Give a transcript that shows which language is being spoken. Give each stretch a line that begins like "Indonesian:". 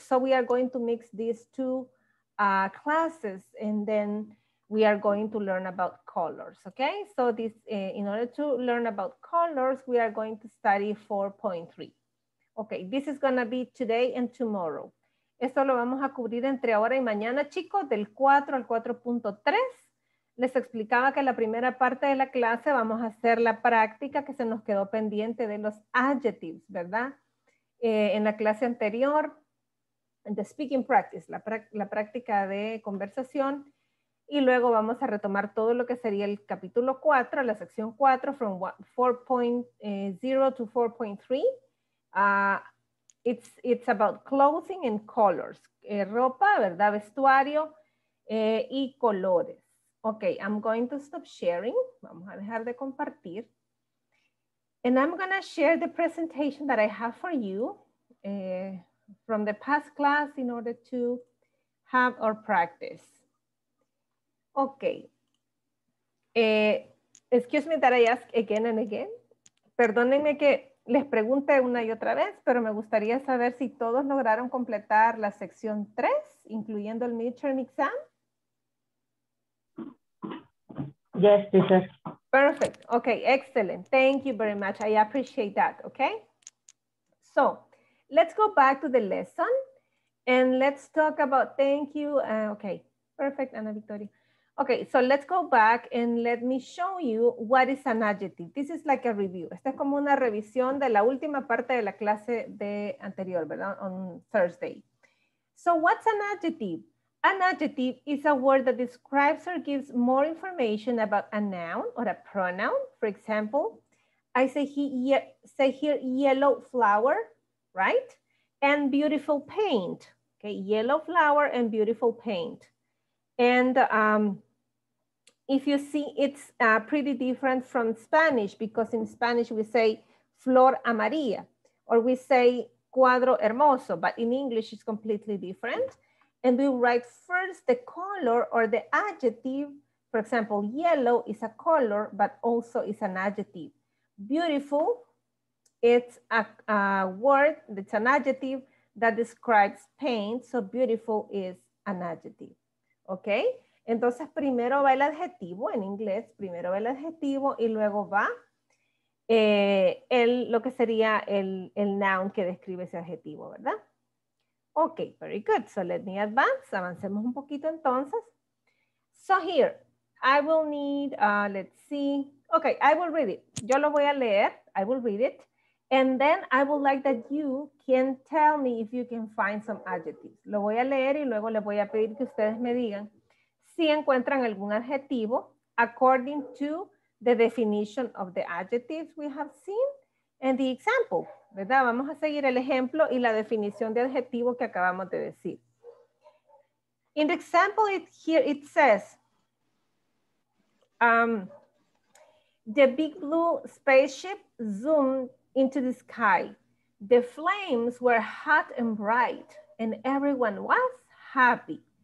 English: So we are going to mix these two classes, and then we are going to learn about colors, okay? So this, in order to learn about colors, we are going to study 4.3. Okay, this is gonna be today and tomorrow.
Spanish: Esto lo vamos a cubrir entre ahora y mañana, chicos, del 4 al 4.3. Les explicaba que la primera parte de la clase vamos a hacer la práctica que se nos quedó pendiente de los adjectives, ¿verdad? En la clase anterior,
English: the speaking practice,
Spanish: la práctica de conversación, y luego vamos a retomar todo lo que sería el capítulo 4, la sección 4,
English: from 4.0 to 4.3. It's about clothing and colors,
Spanish: ropa, ¿verdad? Vestuario y colores.
English: Okay, I'm going to stop sharing.
Spanish: Vamos a dejar de compartir.
English: And I'm gonna share the presentation that I have for you from the past class in order to have our practice. Okay. Excuse me that I ask again and again.
Spanish: Perdónenme que les pregunté una y otra vez, pero me gustaría saber si todos lograron completar la sección 3, incluyendo el midterm exam.
English: Yes, teacher. Perfect. Okay, excellent. Thank you very much. I appreciate that. Okay. So, let's go back to the lesson and let's talk about, thank you. Okay, perfect, Ana Victoria. Okay, so let's go back and let me show you what is an adjective. This is like a review.
Spanish: Esta es como una revisión de la última parte de la clase de anterior, ¿verdad?
English: On Thursday. So what's an adjective? An adjective is a word that describes or gives more information about a noun or a pronoun. For example, I say, say here yellow flower, right? And beautiful paint, okay? Yellow flower and beautiful paint. And if you see, it's pretty different from Spanish, because in Spanish we say
Spanish: flor amarilla,
English: or we say
Spanish: cuadro hermoso,
English: but in English it's completely different. And we write first the color or the adjective. For example, yellow is a color, but also is an adjective. Beautiful, it's a word, it's an adjective that describes paint, so beautiful is an adjective.
Spanish: Ok, entonces primero va el adjetivo en inglés, primero va el adjetivo y luego va lo que sería el noun que describe ese adjetivo, ¿verdad?
English: Ok, very good. So let me advance.
Spanish: Avancemos un poquito entonces.
English: So here, I will need, let's see. Ok, I will read it.
Spanish: Yo lo voy a leer.
English: I will read it. And then I would like that you can tell me if you can find some adjectives.
Spanish: Lo voy a leer y luego les voy a pedir que ustedes me digan si encuentran algún adjetivo
English: according to the definition of the adjectives we have seen and the example,
Spanish: ¿verdad? Vamos a seguir el ejemplo y la definición de adjetivo que acabamos de decir.
English: In the example here it says, the big blue spaceship zoomed into the sky. The flames were hot and bright and everyone was happy.